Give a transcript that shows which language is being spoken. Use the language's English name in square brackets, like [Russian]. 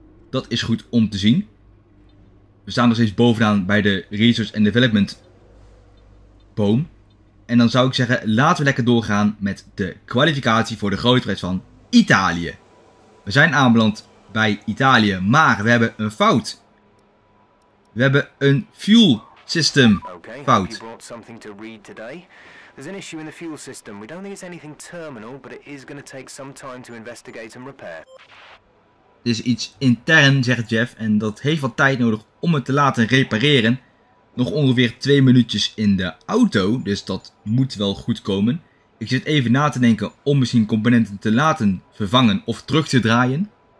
[Dutch] Dat is goed om te zien. We staan nog steeds bovenaan bij de Research and Development boom. En dan zou ik zeggen, laten we lekker doorgaan met de kwalificatie voor de grote prijs van Italië. We zijn aanbeland bij Italië, maar we hebben een fout. We hebben een fuel system fout. [English] There's an issue in the fuel system. We don't think it's anything terminal, but it is going to take some time to investigate and repair. [Dutch] Het is iets intern, zegt Jeff, en dat heeft wat tijd nodig om het te laten repareren. Nog ongeveer 2 minuutjes in de auto, dus dat moet wel goed komen. Ik zit even na te denken om misschien componenten te laten vervangen of terug te draaien.